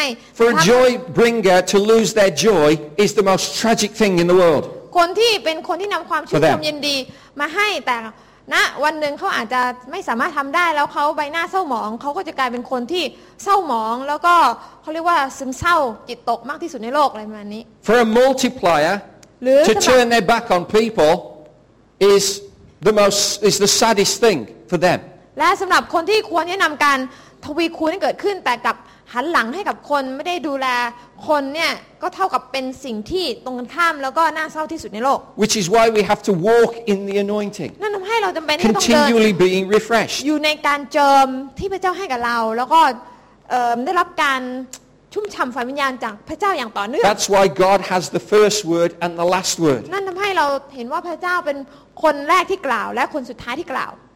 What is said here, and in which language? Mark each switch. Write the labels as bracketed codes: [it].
[en] For a joy bringer to lose their joy is the most tragic thing in the world [th] คนที่เป็นคนที่นำความชื่นชมยินดีมาให้แต่นะวันหนึ่งเขาอาจจะไม่สามารถทำได้แล้วเขาใบหน้าเศร้าหมองเขาก็จะกลายเป็นคนที่เศร้าหมองแล้วก็เขาเรียกว่าซึมเศร้าจิตตกมากที่สุดในโลกอะไรประมาณนี้ [en] For a multiplier to turn their back on people is the saddest thing for them [th] และสำหรับคนที่ควรแนะนำการทวีคูณให้เกิดขึ้นแต่กับหันหลังให้กับคนไม่ได้ดูแลคนเนี่ยก็เท่ากับเป็นสิ่งที่ตรงกันข้ามแล้วก็น่าเศร้าที่สุดในโลก [en] Which is why we have to walk in the anointing [th] นั่นทำให้เราจำเป็นต้องเดิน [en] Continually being refreshed [th] อยู่ในการเจิมที่พระเจ้าให้กับเราแล้วก็ได้รับการชุ่มฉ่ำฝ่ายวิญญาณจากพระเจ้าอย่างต่อเนื่อง [en] That's why God has the first word and the last word [th] นั่นทำให้เราเห็นว่าพระเจ้าเป็นคนแรกที่กล่าวและคนสุดท้ายที่กล่าว